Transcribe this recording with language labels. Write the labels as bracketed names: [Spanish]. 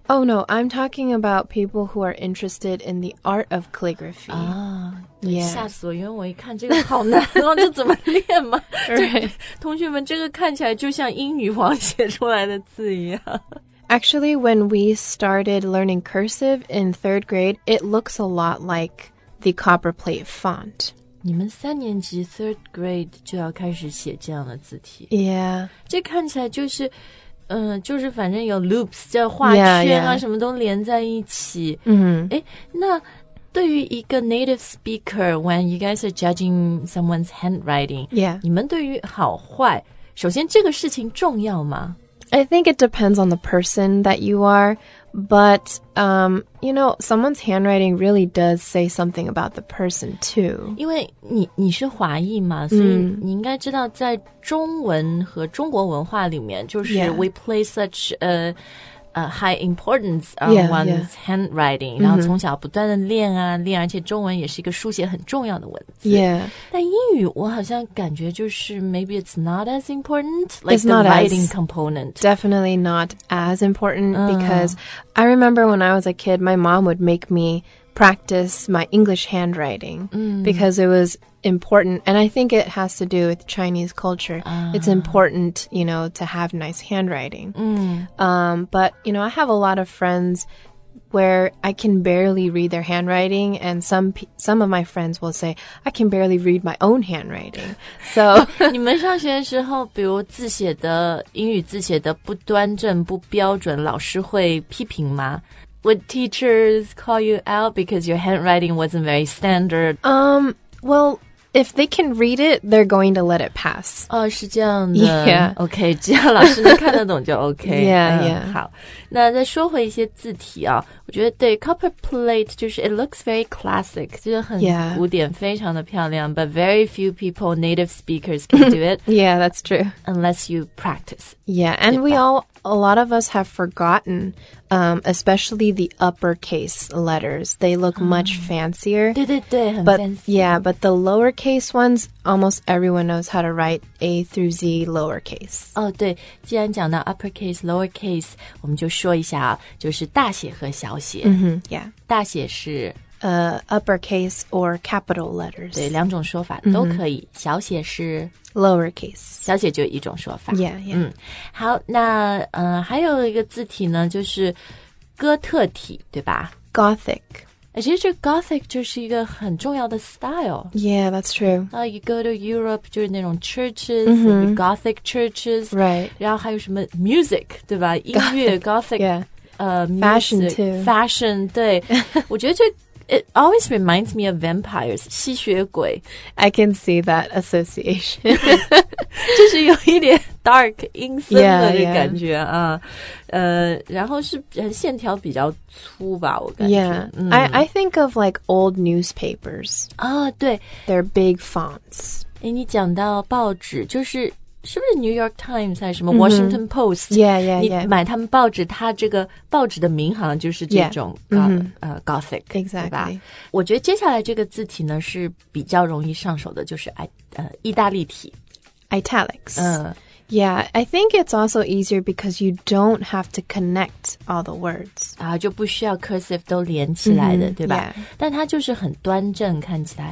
[English] Oh no, I'm talking about people who are interested in the art of calligraphy. [Chinese] 啊、 [English] oh, yeah. [Chinese] ，吓死我！因为我一看这个好难，然后就怎么练嘛？对，同学们，这个看起来就像英语王写出来的字一样。 [English] Actually, when we started learning cursive in third grade, it looks a lot like the copperplate font. [Chinese] 你们三年级 [English] third grade [Chinese] 就要开始写这样的字体 [English] ，Yeah， [Chinese] 这看起来就是，就是反正有 loops 这画圈啊， [English] yeah, yeah. [Chinese] 什么都连在一起。嗯、mm-hmm. ，哎，那对于一个 [English] native speaker， when you guys are judging someone's handwriting， Yeah， [Chinese] 你们对于好坏，首先这个事情重要吗 [English] ？I think it depends on the person that you are。 But, you know, someone's handwriting really does say something about the person, too. [Chinese] 因为你是华裔嘛、mm. 所以你应该知道在中文和中国文化里面就是、 [English] yeah. we play such a high importance on yeah, one's yeah. handwriting. [Chinese] 然后从小不断的练啊、mm-hmm. 练，而且中文也是一个书写很重要的文字。 [English] Yeah. [Chinese] 但英语我好像感觉就是 [English] maybe it's not as important, like、 it's、 the writing component. Definitely not as important because I remember when I was a kid, my mom would make me practice my English handwriting、 mm. because it was important. And I think it has to do with Chinese culture.、It's important, you know, to have nice handwriting.、 Mm. But, you know, I have a lot of friends where I can barely read their handwriting. And some of my friends will say, I can barely read my own handwriting. So, [Chinese] 你们上学的时候比如字写的英语字写的不端正不标准老师会批评吗 [English] Would teachers call you out because your handwriting wasn't very standard? Well, if they can read it, they're going to let it pass. [Chinese] 哦，是这样的。 [English] Yeah. [Chinese] Okay, 只要老师能看得懂就 okay. [English] Yeah, yeah. [Chinese] 好，那再说回一些字体啊，我觉得对 copper plate 就是 [English] it looks very classic, [Chinese] 就是很古典，非常的漂亮。 [English] But very few people, native speakers, can do it. Yeah, that's true. Unless you practice. Yeah, and we all... A lot of us have forgotten, especially the uppercase letters. They look much fancier. [Chinese] 对对对，很 fancy. [English] But, yeah, but the lowercase ones, almost everyone knows how to write A through Z lowercase. [Chinese] 哦，对，既然讲到 uppercase, lowercase, 我们就说一下啊，就是大写和小写。嗯哼，yeah. 大写是 [English] Uppercase or capital letters. [Chinese] 对，两种说法都可以。Mm-hmm. 小写是 [English] lowercase. [Chinese] 小写就一种说法。 [English] Yeah, yeah.、 [Chinese] 嗯、好，那还有一个字体呢，就是哥特体，对吧 [English] ？Gothic. [Chinese] 其实 Gothic 就是一个很重要的 style. [English] Yeah, that's true. You go to Europe, [Chinese] 就是那种 [English] churches,、mm-hmm. Gothic churches. Right. [Chinese] 然后还有什么 music, 对吧？音乐 Gothic. [English] Yeah. Fashion music, too. [Chinese] Fashion, 对。我觉得这 [English] It always reminds me of vampires, [Chinese] 吸血鬼。 [English] I can see that association. [Chinese] 就是有一点 dark, 阴森的感觉啊。 [English] Yeah, yeah. [Chinese] 然后是线条比较粗吧我感觉。 [English] Yeah,、I think of like old newspapers. 啊、oh, 对。 They're big fonts. [Chinese] 诶你讲到报纸就是是不是 New York Times 还是什么 Washington Post?、 [English] Mm-hmm. Yeah, yeah, yeah. [Chinese] 你买他们报纸它这个报纸的名好像就是这种 Gothic, [English] exactly. [Chinese] 对吧我觉得接下来这个字体呢是比较容易上手的就是、意大利体。 [English] Italics.、Yeah, I think it's also easier because you don't have to connect all the words. [Chinese] 啊就不需要 cursive 都连起来的、对吧、 [English] yeah. [Chinese] 但它就是很端正看起来